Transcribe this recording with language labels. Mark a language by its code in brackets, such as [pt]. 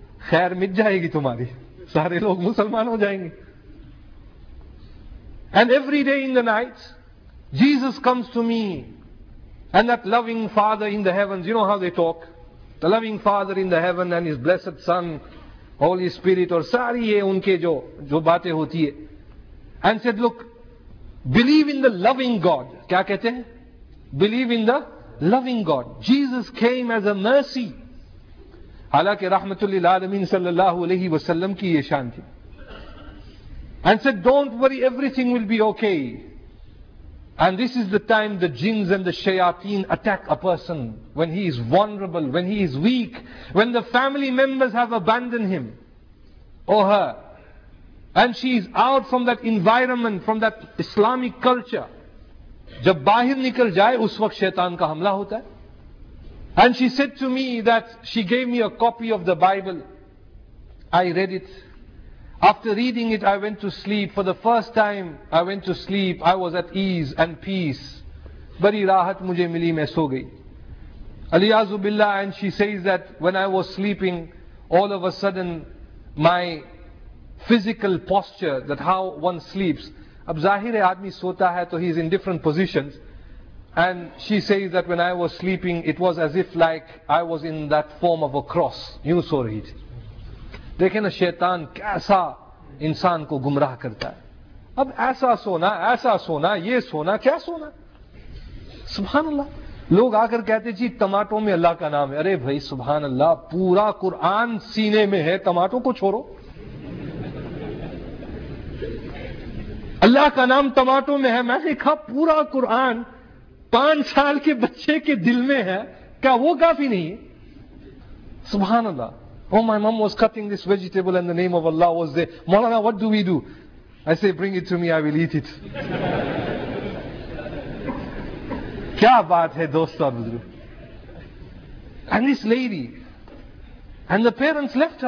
[ur] خیر مٹ جائے گی تمہاری, سارے لوگ مسلمان ہو جائیں گے. [en] And every day in the night, Jesus comes to me and that loving Father in the heavens, you know how they talk, the loving Father in the heaven and His blessed Son, Holy Spirit, [ur] اور ساری یہ ان کے جو باتیں ہوتی ہیں. [en] And said, look, believe in the loving God. [ur] کیا کہتے ہیں؟ [en] Believe in the loving God. Jesus came as a mercy. [ur] حالانکہ رحمت للعالمین صلی اللہ علیہ وسلم کی یہ شان تھی. [en] And said, don't worry, everything will be okay. And this is the time the jinns and the shayateen attack a person when he is vulnerable, when he is weak, when the family members have abandoned him or her. And she is out from that environment, from that Islamic culture. [ur] جب باہر نکل جائے اس وقت شیطان کا حملہ ہوتا ہے. [en] And she said to me that she gave me a copy of the Bible. I read it. After reading it, I went to sleep. For the first time I went to sleep, I was at ease and peace. [ur] بڑی راحت مجھے ملی, میں سو گئی. الیاذ باللہ. [en] And she says that when I was sleeping, all of a sudden my physical posture, that how one sleeps. [ur] اب ظاہر ہے آدمی سوتا ہے تو [en] he is in different positions. And she says that when I was sleeping, it was as if like I was in that form of a cross. [ur] یوں سو رہی تھی. دیکھیں نا شیطان کیسا انسان کو گمراہ کرتا ہے. اب ایسا سونا, یہ سونا, کیا سونا, سبحان اللہ. لوگ آ کر کہتے جی ٹماٹو میں اللہ کا نام ہے. ارے بھائی سبحان اللہ, پورا قرآن سینے میں ہے, ٹماٹو کو چھوڑو. اللہ کا نام ٹماٹو میں ہے. میں نے کہا پورا قرآن 5 سال کے بچے کے دل میں ہے, کیا وہ کافی نہیں, سبحان اللہ. [en] Oh, my mom was cutting this vegetable and the name of Allah was there. Maulana, what do we do? I say, bring it to me, I will eat it. [ur] Kya baat hai, dosto buzurg. [en] And this lady, and the parents left her.